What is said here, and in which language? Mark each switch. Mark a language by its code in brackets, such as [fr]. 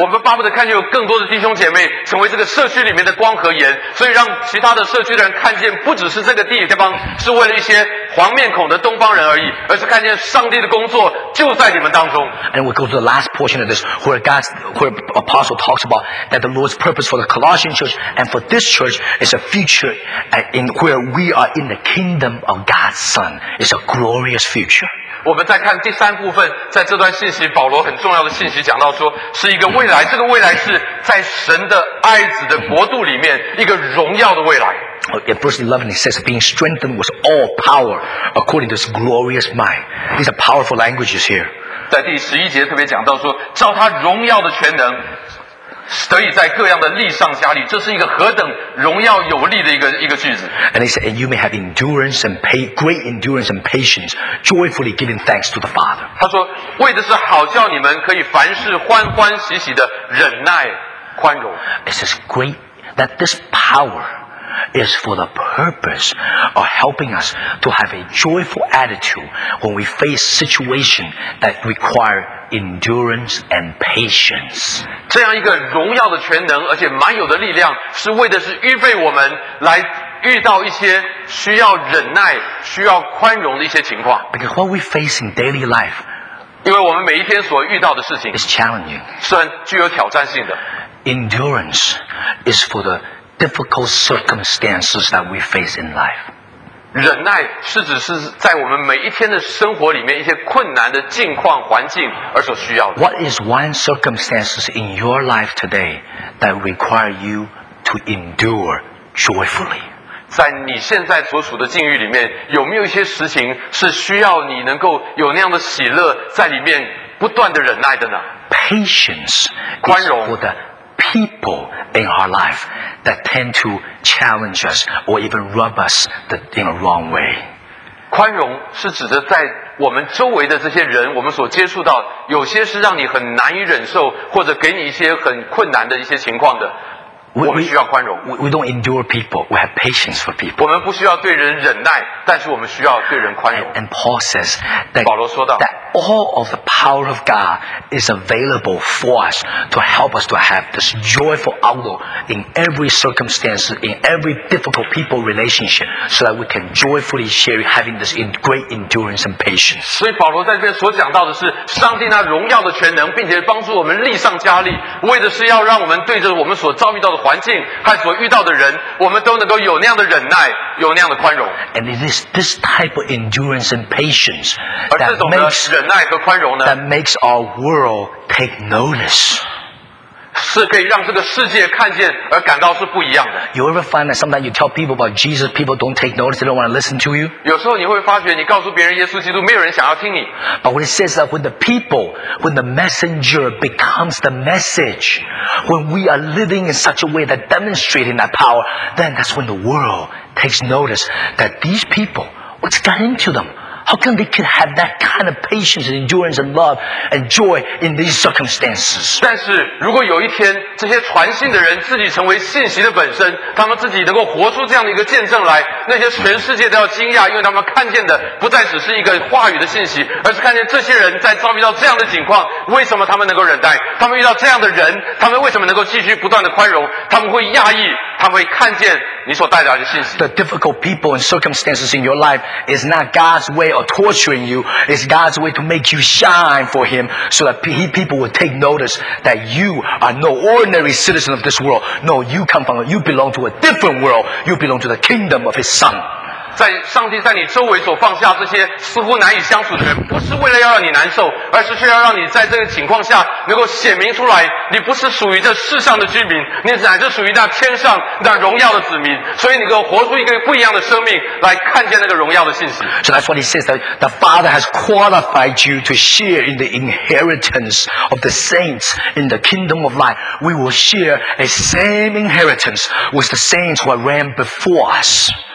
[zh] 我们巴不得看见有更多的弟兄姐妹成为这个社区里面的光和盐，所以让其他的社区的人看见，不只是这个地方是为了一些黄面孔的东方人而已，而是看见上帝的工作就在你们当中。 [en] And we go to the last portion of this, where God's, where apostle talks about that the Lord's purpose for the Colossian church and for this church is a future in where we are in the kingdom of God's Son. It's a glorious future. [zh] 我们再看第三部分，在这段信息，保罗很重要的信息讲到说，是一个未来，这个未来是在神的爱子的国度里面，一个荣耀的未来。 [en] In verse 11, it says, being strengthened with all power according to his glorious mind. These are powerful languages here. [zh] 在第十一节特别讲到说，照他荣耀的全能，得以在各样的力上加力，这是一个何等荣耀有力的一个句子。 [en] And he said, and you may have endurance and great endurance and patience, joyfully giving thanks to the Father. [zh] 他说，为的是好叫你们可以凡事欢欢喜喜的忍耐宽容。 [en] It says great that this power is for the purpose of helping us to have a joyful attitude when we face situation that require endurance and patience. [zh] 这样一个荣耀的全能，而且满有的力量，是为的是预备我们来遇到一些需要忍耐、需要宽容的一些情况。 [en] Because what we face in daily life, [zh] 因为我们每一天所遇到的事情 [en] is challenging, [zh] 是很具有挑战性的。 [en] Endurance is for the difficult circumstances that we face in life. [zh] 忍耐是指是在我们每一天的生活里面一些困难的境况环境而所需要的。 [en] What is one circumstance in your life today that require you to endure joyfully? [zh] 在你现在所处的境遇里面，有没有一些事情是需要你能够有那样的喜乐在里面不断的忍耐的呢？ [en] Patience is for the people in our life that tend to challenge us or even rub us in a wrong way. [zh] 宽容是指着在我们周围的这些人，我们所接触到有些是让你很难以忍受，或者给你一些很困难的一些情况的。我们需要宽容。 [en] We don't endure people. We have patience for people. [zh] 我们不需要对人忍耐，但是我们需要对人宽容。 [en] And Paul says that, [zh] 保罗说道, [en] that all of the power of God is available for us to help us to have this joyful outlook in every circumstance, in every difficult people relationship, so that we can joyfully share having this great endurance and patience. [zh] 所以保罗在这边所讲到的是，上帝那荣耀的全能，并且帮助我们力上加力，为的是要让我们对着我们所遭遇到的环境和所遇到的人，我们都能够有那样的忍耐，有那样的宽容。 [en] And it is this type of endurance and patience that makes [zh] 忍耐和宽容呢 [en] that makes our world take notice. [zh] 是可以让这个世界看见而感到是不一样的。 [en] You ever find that sometimes you tell people about Jesus, people don't take notice, they don't want to listen to you? [zh] 有时候你会发觉你告诉别人耶稣基督，没有人想要听你。 [en] But when it says that when the people, when the messenger becomes the message, when we are living in such a way that demonstrating that power, then that's when the world takes notice that these people, what's got into them? How come they could have that kind of patience and endurance and love and joy in these circumstances? [zh] 但是如果有一天这些传信的人自己成为信息的本身，他们自己能够活出这样的一个见证来，那些全世界都要惊讶，因为他们看见的不再只是一个话语的信息，而是看见这些人在遭遇到这样的情况，为什么他们能够忍耐？他们遇到这样的人，他们为什么能够继续不断的宽容？他们会讶异，他们会看见你所带来的信息。 [en] The difficult people and circumstances in your life is not God's way of torturing you. It's God's way to make you shine for Him so that people will take notice that you are no ordinary citizen of this world. No, you belong to a different world. You belong to the kingdom of His Son. [zh] 在上帝在你周围所放下这些似乎难以相处的人，不是为了要让你难受，而是却要让你在这个情况下能够显明出来，你不是属于这世上的居民，你乃是属于那天上那荣耀的子民，所以你能够活出一个不一样的生命来看见那个荣耀的信息。 [en] So that's what he says, that the Father has qualified you to share in the inheritance of the saints in the kingdom of light. We will share a same inheritance with the saints who have ran before us.